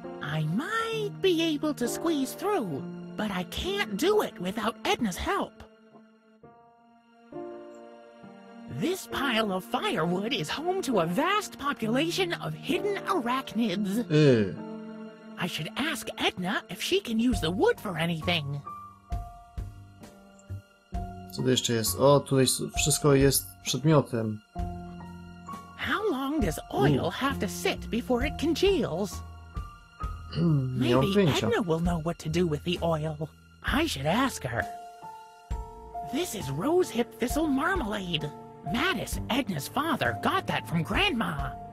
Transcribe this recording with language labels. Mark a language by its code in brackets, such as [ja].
[en] I might be able to squeeze through, but I can't do it without Edna's help. This pile of firewood is home to a vast population of hidden arachnids. I should ask Edna if she can use the wood for anything. [pl] Co tu jeszcze jest? O, tutaj wszystko jest przedmiotem. [en] How long does oil have to sit before it congeals? Maybe Edna will know what to do with the oil. I should ask her. This is rosehip thistle marmalade. Mattis, Edna's father, got that from Grandma.